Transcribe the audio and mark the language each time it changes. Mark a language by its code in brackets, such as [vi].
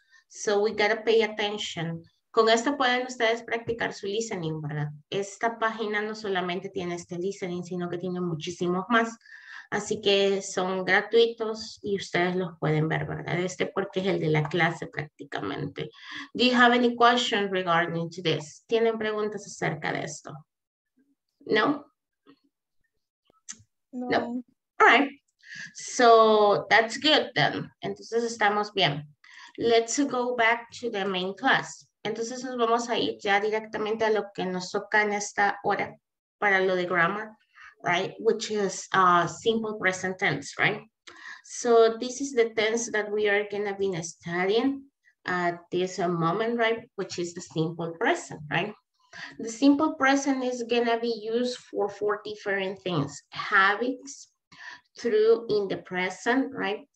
[en] So we gotta pay attention. [es] Con esto pueden ustedes practicar su listening, ¿verdad? Esta página no solamente tiene este listening, sino que tiene muchísimos más. Así que son gratuitos y ustedes los pueden ver, ¿verdad? Este porque es el de la clase prácticamente. [en] Do you have any questions regarding to this? [es] ¿Tienen preguntas acerca de esto? No? No. [en] All right. So that's good then. [es] Entonces estamos bien. [en] Let's go back to the main class. [es] Entonces nos vamos a ir ya directamente a lo que nos toca en esta hora para lo de grammar, right? [en] Which is simple present tense, right? So this is the tense that we are going to be studying at this moment, right? Which is the simple present, right? The simple present is going to be used for 4 different things. Habits, through in the present, right?